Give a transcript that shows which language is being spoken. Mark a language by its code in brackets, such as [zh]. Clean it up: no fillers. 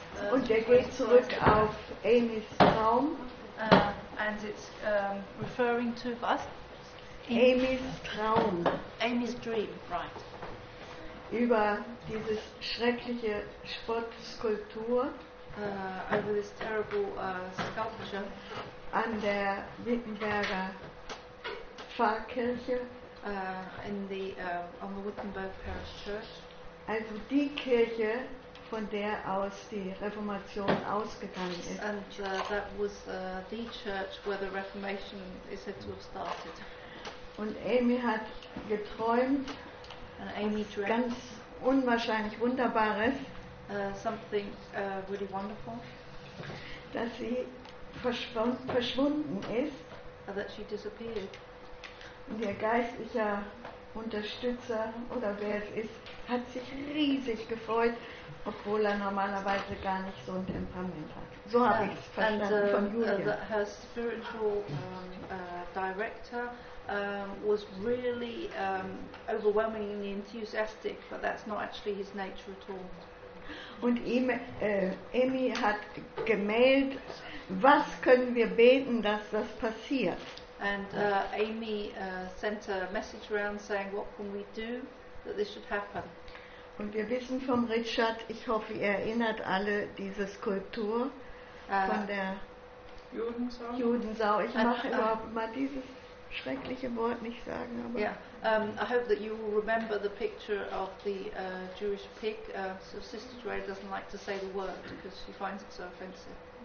[de] Und der geht zurück auf Amys Traum. [en] And it's referring to was? [de] Amys Traum. [en] Amy's dream, right. [de] Über dieses schreckliche Sportskulptur. [en] Over this terrible sculpture. [de] An der Wittenberger Pfarrkirche. [en] On the Wittenberg Parish Church. [de] Also die Kirche, von der aus die Reformation ausgegangen ist. [en] And that was the church where the Reformation is said to have started. [de] Und Amy hat geträumt, [en] and Amy dreamt [de] ganz unwahrscheinlich Wunderbares, [en] something really wonderful, [de] dass sie verschwunden ist, [en] that she disappeared. [de] Und ihr geistlicher Unterstützer oder wer es ist, hat sich riesig gefreut, obwohl er normalerweise gar nicht so ein Temperament hat. So habe ich es verstanden von Julia. [en] And her spiritual director was really overwhelmingly enthusiastic, but that's not actually his nature at all. [de] Und Amy hat gemailt, was können wir beten, dass das passiert? [en] And Amy sent a message around saying, what can we do that this should happen? [de] Und wir wissen von Richard, ich hoffe, ihr erinnert alle diese Skulptur von der Judensau. Ich mache überhaupt mal dieses schreckliche Wort nicht sagen. Aber [en] yeah, I hope that you will remember the picture of the Jewish pig. So Sister Joy doesn't like to say the word because she finds it so offensive.